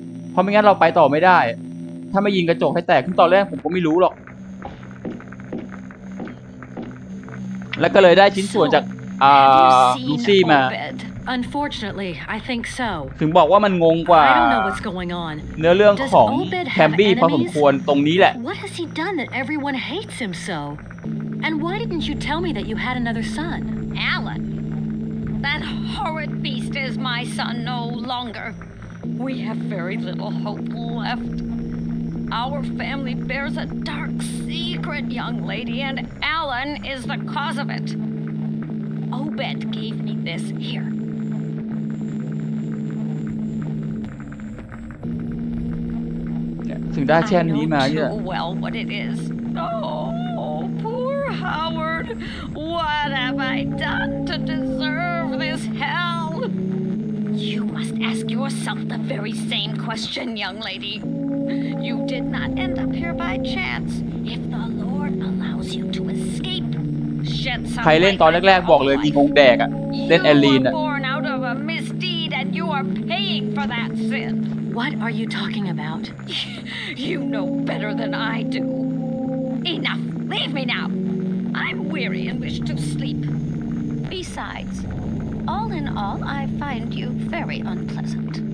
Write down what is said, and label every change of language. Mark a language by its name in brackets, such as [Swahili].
[Thai] เพราะไม่งั้นเราไปต่อไม่ได้ถ้าไม่ยิงกระจกให้แตกขึ้นตอนแรกผมก็ไม่รู้หรอกแล้วก็เลยได้ชิ้นส่วนจากลูซี่มา [English] Unfortunately, I think so. [Thai] ถึงบอกว่ามันงงกว่าเนื้อเรื่องของแฮมบี้พอสมควรตรงนี้แหละ [English] What has he done that everyone hates him so? And why didn't you tell me that you had another son? Alan. That horrid beast is my son no longer. We have very little hope left. Our family bears a dark secret, young lady, and Alan is the cause of it. Obed gave me this here. [Thai] ถึงได้เช่นนี้มาเนี่ย [English] Well, what it is. Oh, poor Howard. What have I done to deserve this hell? You must ask yourself the very same question, young lady. You did not end up here by chance. If the Lord allows you to escape, shed some light. [Thai] ใครเล่นตอนแรกๆบอกเลยมีงงแดกอ่ะเล่นแอลลีนอ่ะ [English] Born out of a misdeed and you are paying for that sin. What are you talking about? You know better than I do. Enough! Leave me now! I'm weary and wish to sleep. Besides, all in all, I find you very unpleasant.